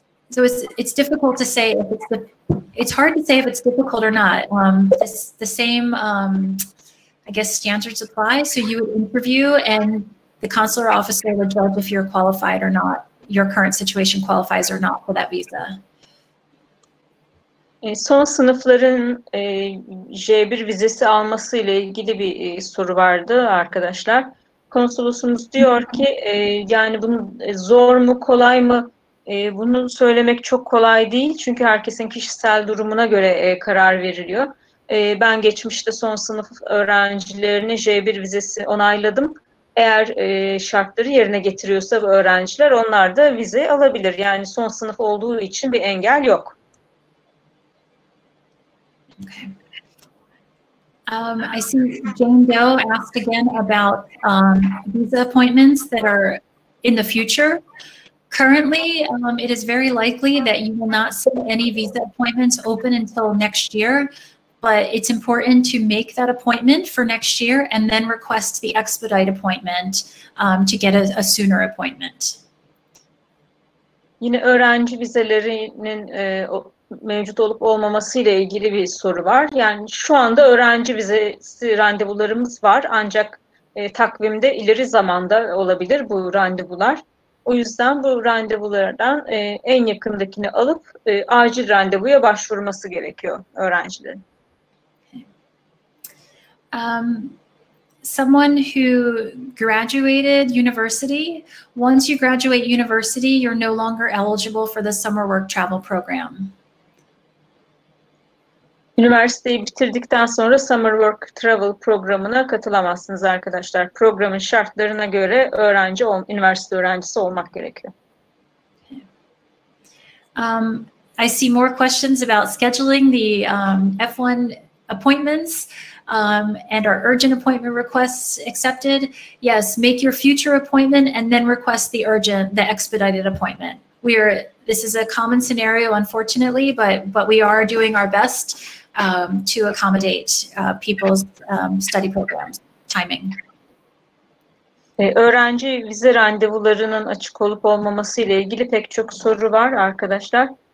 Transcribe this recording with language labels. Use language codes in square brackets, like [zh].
[en] So it's difficult to say if it's hard to say if it's difficult or not. The same standards apply. So you would interview and the consular officer would judge if you're qualified or not, your current situation qualifies or not for that visa. [tr] Son sınıfların J1 vizesi alması ile ilgili bir soru vardı arkadaşlar. Konsolosumuz diyor ki yani bunu zor mu kolay mı? Bunu söylemek çok kolay değil çünkü herkesin kişisel durumuna göre karar veriliyor. Ben geçmişte son sınıf öğrencilerine J1 vizesi onayladım. Eğer şartları yerine getiriyorsa bu öğrenciler, onlar da vize alabilir. Yani son sınıf olduğu için bir engel yok. [en] Okay. I see Jane Doe asked again about visa appointments that are in the future. Currently, it is very likely that you will not see any visa appointments open until next year, but it's important to make that appointment for next year and then request the expedite appointment to get a sooner appointment. [tr] Yine öğrenci vizelerinin mevcut olup olmaması ile ilgili bir soru var. Yani şu anda öğrenci vizesi randevularımız var, ancak takvimde ileri zamanda olabilir bu randevular. O yüzden bu randevulardan en yakındakini alıp acil randevuya başvurması gerekiyor öğrencilerin. [en] Someone who graduated university, once you graduate university, you're no longer eligible for the summer work travel program. [tr] Üniversiteyi bitirdikten sonra summer work travel programına katılamazsınız arkadaşlar. Programın şartlarına göre üniversite öğrencisi olmak gerekiyor. [en] I see more questions about scheduling the F1 appointments and are urgent appointment requests accepted? Yes, make your future appointment and then request the expedited appointment. This is a common scenario, unfortunately, but we are doing our best to accommodate people's study programs timing. [tr] Öğrenci vize randevularının açık olup olmaması ile ilgili pek çok soru var arkadaşlar.